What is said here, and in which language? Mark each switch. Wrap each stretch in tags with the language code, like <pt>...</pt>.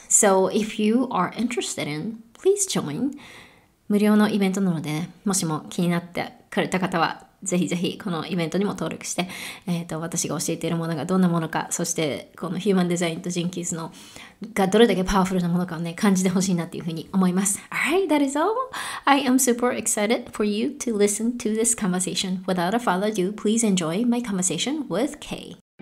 <en>So if you are interested in, please join.</en> <ja>無料のイベントなので、もしも気になってくれた方は、ぜひぜひこのイベントにも登録して、私が教えているものがどんなものか、そしてこのヒューマンデザインとジンキーズのがどれだけパワフルなものかをね、感じてほしいなっていうふうに思います。</ja> <en>Alright, that is all. I am super excited for you to listen to this conversation. Without a further ado, please enjoy my conversation with Kay.</en>